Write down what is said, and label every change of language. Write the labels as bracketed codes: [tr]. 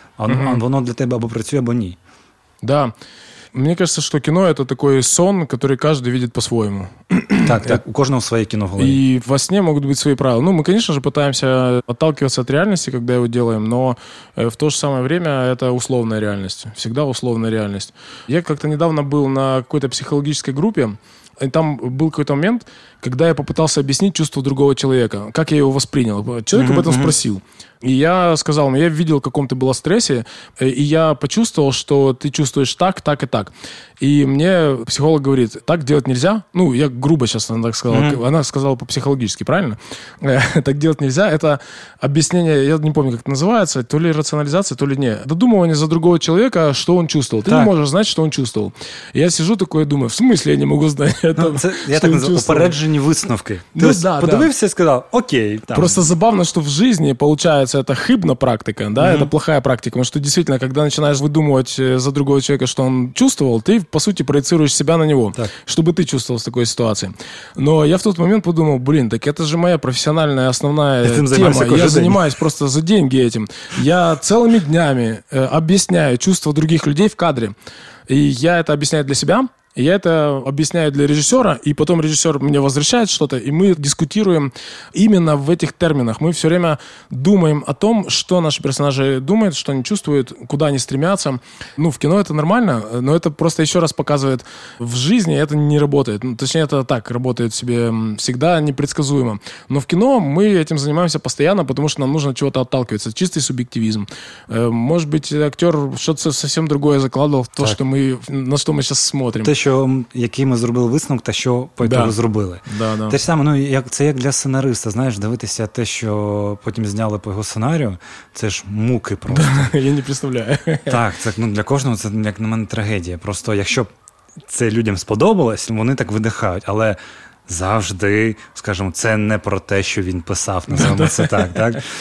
[uk] А воно для тебе або працює, або ні. [ru] Да. [uk] Мені кажется, що кіно – це такий сон, який кожен видить по-своєму. Так, так. У кожного своє кіно в голові. І во сні можуть бути свої правила. Ну, ми, звісно, намагаємося відталкуватися від реальності, коли його робимо, але в те ж саме время це условна реальність. [ru] Всегда условна реальність. [uk] Я як-то недавно був на якійсь психологічній групі, [ru] и там был какой-то момент, когда я попытался объяснить чувство другого человека, как я его воспринял. Человек об этом спросил. И я сказал ему: я видел, в каком ты была стрессе, и я почувствовал, что ты чувствуешь так, так и так. И мне психолог говорит: так делать нельзя. Ну, я грубо сейчас, она так сказала. Она сказала по-психологически, правильно? Так делать нельзя. Это объяснение, я не помню, как это называется, то ли рационализация, то ли не. Додумывание за другого человека, что он чувствовал. Ты не можешь знать, что он чувствовал. Я сижу такой и думаю: в смысле я не могу знать? Я так называю, [uk] упереджені висновки. Ти ось подивився і сказав: окей. Просто забавно, що в житті, виходить, це хибна практика, це плохая практика, тому що, дійсно, коли починаєш видумувати за другого чоловіка, що він чувствував, ти, по суті, проєцируєш себе на нього, щоб ти чувствував в такій ситуації. Но я в той момент подумав: блін, так це ж моя професіональна основна тема. Я займаюся просто за деньги цим. Я цілими днями об'ясняю чувства других людей в кадрі. І я це об'ясняю для себе. [ru] Я это объясняю для режиссера, и потом режиссер мне возвращает что-то, и мы дискутируем именно в этих терминах. Мы все время думаем о том, что наши персонажи думают, что они чувствуют, куда они стремятся. Ну, в кино это нормально, но это просто еще раз показывает, в жизни это не работает. Ну, точнее, это так работает себе всегда непредсказуемо. Но в кино мы этим занимаемся постоянно, потому что нам нужно чего-то отталкиваться. Чистый субъективизм. Может быть, актер что-то совсем другое закладывал, то, что мы, на что мы сейчас смотрим. [uk] Те, що, який ми зробили висновок, та що по ітогу зробили. [ru] Да, да. [uk] Те ж саме, ну, як, це як для сценариста, знаєш, дивитися те, що потім зняли по його сценарію, це ж муки просто. [ru] Да, я не представляю. [uk] Так, це, ну, для кожного це, як на мене, трагедія. Просто якщо це людям сподобалось, вони так видихають, але завжди, скажімо, це не про те, що він писав, називаємо це так, так?